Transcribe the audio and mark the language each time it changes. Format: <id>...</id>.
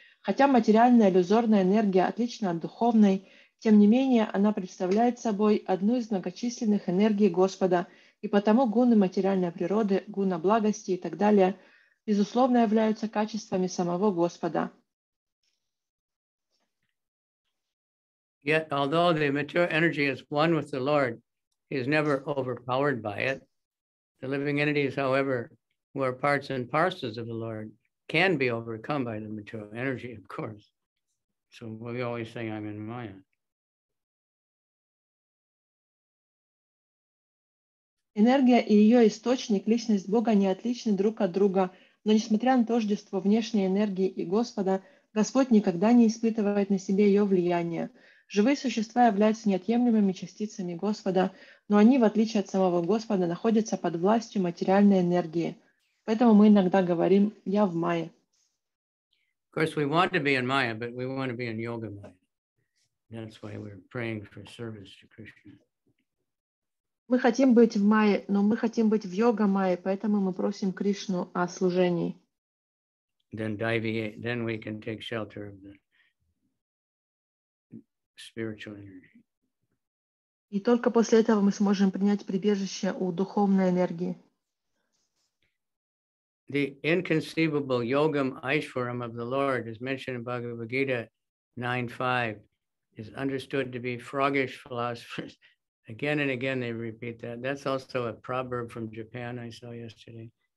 <ru>Хотя материальная иллюзорная энергия отлична от духовной, тем не менее она представляет собой одну из многочисленных энергий Господа, и потому гуны материальной природы, гуна благости и так далее, безусловно, являются качествами самого Господа.</ru> <en>Yet, although the material energy is one with the Lord, he is never overpowered by it. The living entities, however, who are parts and parcels of the Lord, can be overcome by the material energy, of course. So we always say, I'm in Maya.</en> <ru>Энергия и ее источник, личность Бога, не отличны друг от друга, но несмотря на тождество внешней энергии и Господа, Господь никогда не испытывает на себе ее влияние. Живые существа являются неотъемлемыми частицами Господа, но они, в отличие от самого Господа, находятся под властью материальной энергии. Поэтому мы иногда говорим «я в Майе».</ru> <en>Of course, we want to be in Maya, but we want to be in yoga Maya. That's why we're praying for service to Krishna.</en> <ru>Мы хотим быть в Майе, но мы хотим быть в йога Майе, поэтому мы просим Кришну о служении.</ru> <en>Then we can take shelter of the spiritual energy.</en> <ru>И только после этого мы сможем принять прибежище у духовной энергии.</ru> <en>The inconceivable yogam aishwaram of the Lord is mentioned in Bhagavad Gita 9.5 is understood to be froggish philosophers. Again and again they repeat that. That's also a proverb from Japan I saw yesterday.</en>